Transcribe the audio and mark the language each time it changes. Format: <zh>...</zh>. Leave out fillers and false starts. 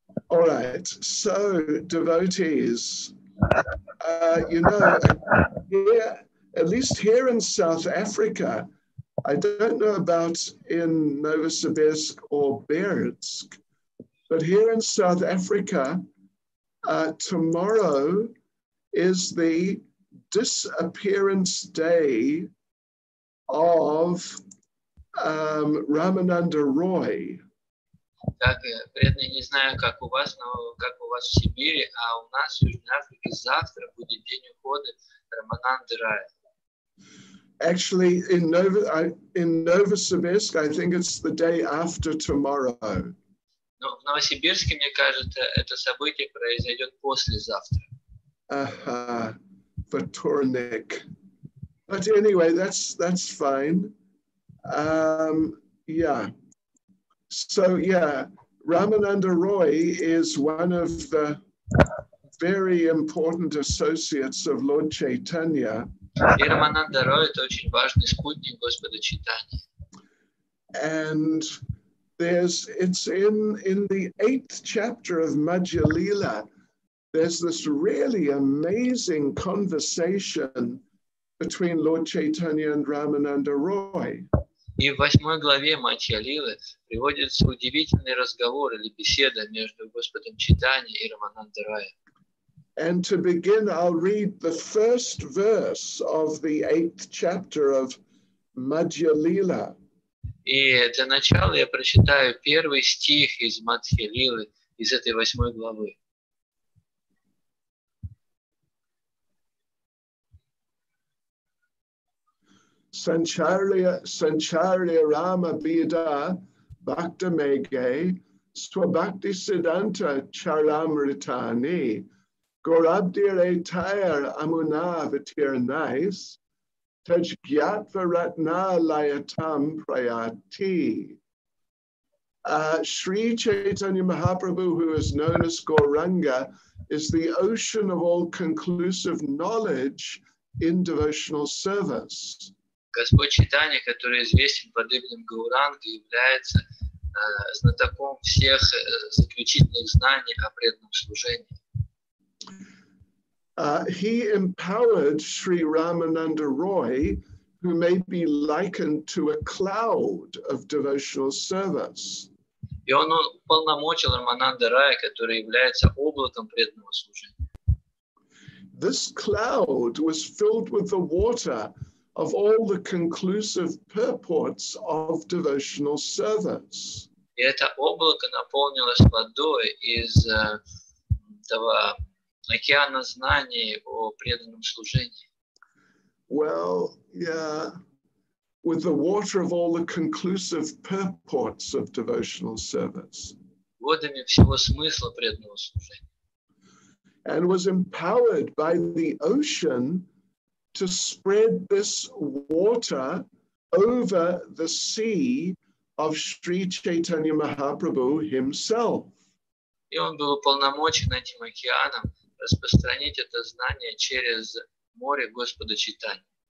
<en>All right, so devotees, you know, here, at least here in South Africa, I don't know about in Novosibirsk or Bertsk, but here in South Africa, tomorrow is the disappearance day of Рамананда Рой.</en> <ru>Так, преданные, не знаю, как у вас, но как у вас в Сибири, а у нас в Южной Африке завтра будет день ухода Рамананды Рой.</ru> <en>Actually, in Novosibirsk, I think it's the day after tomorrow.</en> <ru>Но в Новосибирске, мне кажется, это событие произойдет послезавтра. Ага, вторник.</ru> <en>But anyway, that's fine. Yeah. So yeah, Ramananda Roy is one of the very important associates of Lord Chaitanya.</en> <ru>Ramananda Roy — это очень важный спутник Господа Чайтаньи.</ru> <en>And it's in the eighth chapter of Madhya Lila. There's this really amazing conversation between Lord Chaitanya and Ramananda Roy.</en> <ru>И в восьмой главе Матья Лилы приводится удивительный разговор или беседа между Господом Чайтаньей и Рамананда Роя.</ru> <en>And to begin, I'll read the first verse of the eighth chapter of Madhya Lila.</en> <ru>И для начала я прочитаю первый стих из Матхи Лилы, из этой восьмой главы.</ru> <sa>Sancharya Rama Bida Bhakta Mege Swabhakti Siddhanta Charamritani Gorabdir Etayar Amuna Vitir Nais Tajgyatva Ratna Layatam Prayati.</sa> <en>Sri Chaitanya Mahaprabhu, who is known as Gauranga, is the ocean of all conclusive knowledge in devotional service.</en> <ru>Господь Чайтанья, который известен под именем Гауранга, является знатоком всех заключительных знаний о преданном служении.</ru> <en>He empowered Sri Ramananda Roy, who may be likened to a cloud of devotional service.</en> <ru>И он уполномочил Рамананда Роя, который является облаком преданного служения.</ru> <en>This cloud was filled with the water of all the conclusive purports of devotional service.</en> <ru>И это облако наполнилось водой из этого океана знаний о преданном служении.</ru> <en>Well, yeah, with the water of all the conclusive purports of devotional service.</en> <ru>Водами всего смысла преданного служения.</ru> <en>And was empowered by the ocean to spread this water over the sea of Sri Chaitanya Mahaprabhu himself.</en> <ru>И он был уполномочен этим океаном распространить это знание через море Господа Чайтаньи.</ru>